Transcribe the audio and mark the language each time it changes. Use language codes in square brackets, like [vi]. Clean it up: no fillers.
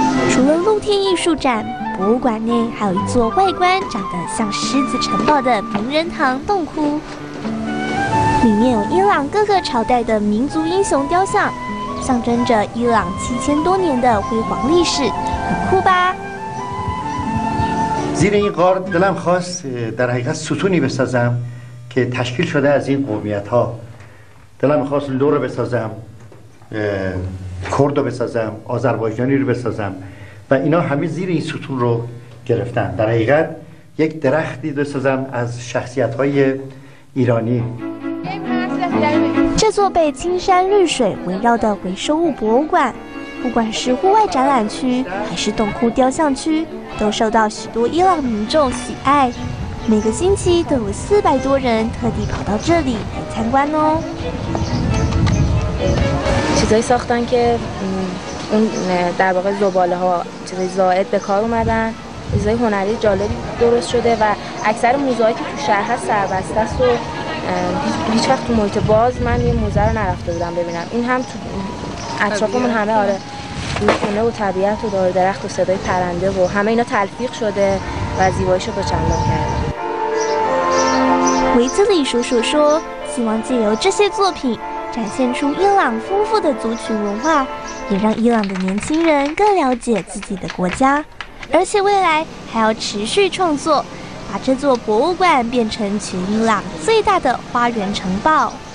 [zh] 除了露天艺术展，博物馆内还有一座外观长得像狮子城堡的名人堂洞窟，里面有伊朗各个朝代的民族英雄雕像，象征着伊朗7000多年的辉煌历史，很酷吧？ [fa] زیر این غار دلم خواست در حقیقت ستونی بسازم که تشکیل شده از این قومیت ها. دلم خواست لو رو بسازم، کرد رو بسازم، آذربایجانی رو بسازم و اینا همه زیر این ستون رو گرفتن. در حقیقت یک درختی بسازم از شخصیت های ایرانی. [zh] 这座被青山绿水围绕的回收物博物馆，不管是户外展览区还是洞窟雕像区，都受到许多伊朗民众喜爱，每个星期都有400多人特地跑到这里来参观哦。 [fa] چیزای ساختن که اون در واقع زباله ها چیزای زائد به کار اومدن، چیزای هنری جالب درست شده و اکثر موزه هایی که تو شهر هست سربسته است و هیچ وقت تو محیط باز من یه موزه رو نرفته بودم ببینم. این هم تو اطرافمون همه آره خونه و طبیعت و دار درخت و صدای پرنده و همه اینا تلفیق شده و زیباییشو به چندان کرده. ویز لی شو شو شو [zh] 希望借由这些作品展现出伊朗丰富的族群文化，也让伊朗的年轻人更了解自己的国家，而且未来还要持续创作，把这座博物馆变成全伊朗最大的花园城堡。